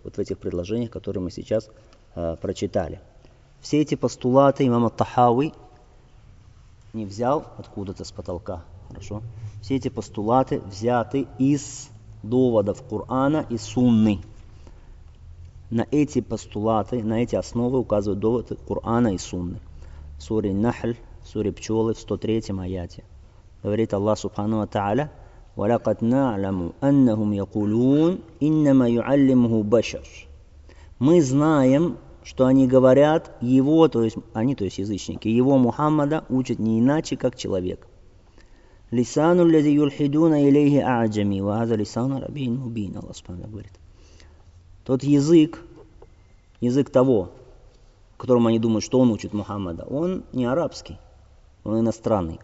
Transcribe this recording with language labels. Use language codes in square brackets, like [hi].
[ru] Вот в этих предложениях, которые мы сейчас прочитали. Все эти постулаты имам ат-Тахави не взял откуда-то с потолка. Хорошо? Все эти постулаты взяты из доводов Кур'ана и Сунны. На эти постулаты, на эти основы указывают доводы Кур'ана и Сунны. Сура Нахль. Суре пчелы в 103 аяте. Говорит Аллах Субхану ва Та'аля: [ar] وَلَقَدْ نَعْلَمُ أَنَّهُمْ يَقُولُونَ إِنَّمَا يُعَلِّمُهُ بَشَرٌ. [ru] Мы знаем, что они говорят его, то есть они, то есть язычники, его Мухаммада учат не иначе, как человек. [ar] لِسَانُ الَّذِي يُلْحِدُونَ إِلَيْهِ أَعْجَمِ وَهَذَا لِسَانُ رَبِّهِ مُبِينٌ. [ru] Аллах Субхану говорит. Тот язык, язык того, которому они думают, что он учит Мухаммада, он не арабский, он иностранный.